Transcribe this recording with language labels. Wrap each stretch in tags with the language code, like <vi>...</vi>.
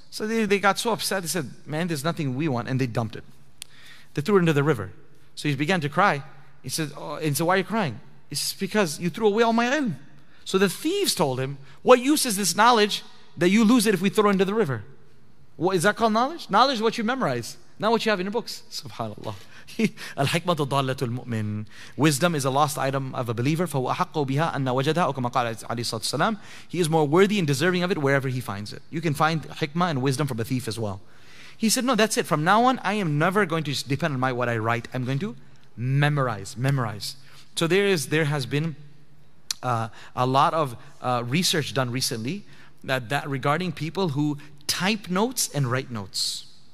<en>So they got so upset, they said, man, there's nothing we want, and they dumped it. They threw it into the river. So he began to cry. He said, why are you crying? He says, because you threw away all my ilm. So the thieves told him, what use is this knowledge that you lose it if we throw it into the river? What is that called knowledge? Knowledge is what you memorize, not what you have in your books. SubhanAllah.</en> <ar>الحكمه ضاله المؤمن.</ar> <en>Wisdom is a lost item of a believer.</en> <ar>فهو احق بها ان وجدها كما قال عليه الصلاه والسلام.</ar> <en>He is more worthy and deserving of it wherever he finds it. You can find hikmah and wisdom from a thief as well. He said, no, that's it. From now on, I am never going to just depend on what I write. I'm going to memorize. So there has been a lot of research done recently that regarding people who type notes and write notes.</en>